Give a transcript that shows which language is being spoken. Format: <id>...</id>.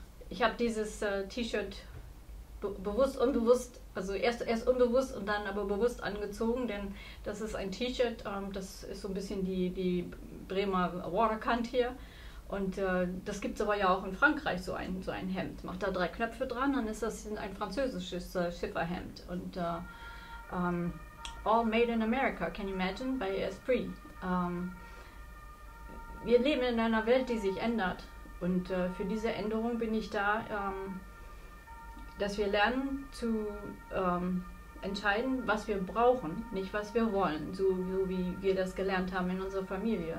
<de>Ich habe dieses T-Shirt bewusst, unbewusst, also erst unbewusst und dann aber bewusst angezogen, denn das ist ein T-Shirt, das ist so ein bisschen die Bremer Waterkant hier. Und das gibt es aber ja auch in Frankreich, so ein Hemd. Macht da drei Knöpfe dran, dann ist das ein französisches Schifferhemd.</de> <en>Und all made in America, can you imagine, by Esprit.</en> <de>Wir leben in einer Welt, die sich ändert. Und für diese Änderung bin ich da, dass wir lernen zu entscheiden, was wir brauchen, nicht was wir wollen, so wie wir das gelernt haben in unserer Familie.</de>